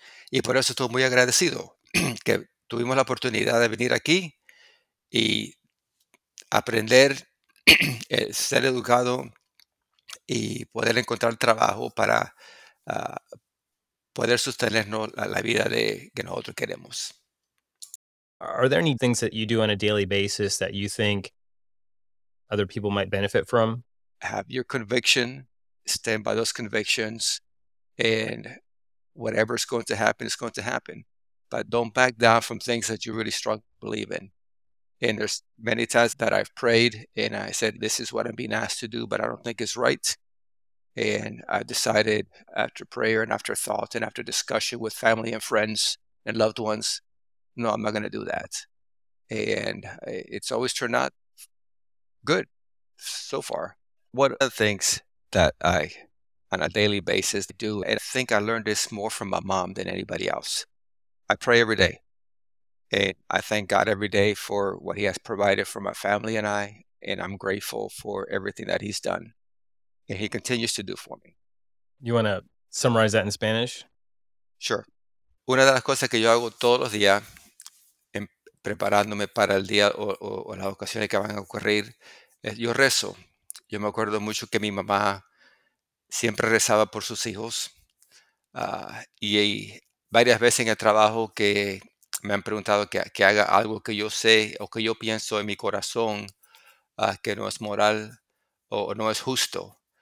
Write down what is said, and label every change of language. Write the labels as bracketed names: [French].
[Spanish] Y por eso estoy muy agradecido que tuvimos la oportunidad de venir aquí y aprender, ser educado y poder encontrar trabajo para poder sostenernos la vida que nosotros queremos. [English] Are there any things that you do on a daily basis that you think other people might benefit from? Have your conviction, stand by those convictions, and whatever's going to happen is going to happen. But don't back down from things that you really strongly believe in. And there's many times that I've prayed and I said, this is what I'm being asked to do, but I don't think it's right. And I decided after prayer and after thought and after discussion with family and friends and loved ones, no, I'm not going to do that. And it's always turned out good so far. One of the things that I, on a daily basis, do, and I think I learned this more from my mom than anybody else, I pray every day. And I thank God every day for what he has provided for my family and I, and I'm grateful for everything that he's done and he continues to do for me. You want to summarize that in Spanish? Sure. [Spanish] Una de las cosas que yo hago todos los días en preparándome para el día o las ocasiones que van a ocurrir, es yo rezo. Yo me acuerdo mucho que mi mamá siempre rezaba por sus hijos y varias veces en el trabajo que me han preguntado que haga algo que yo sé o que yo pienso en mi corazón que no es moral o no es justo.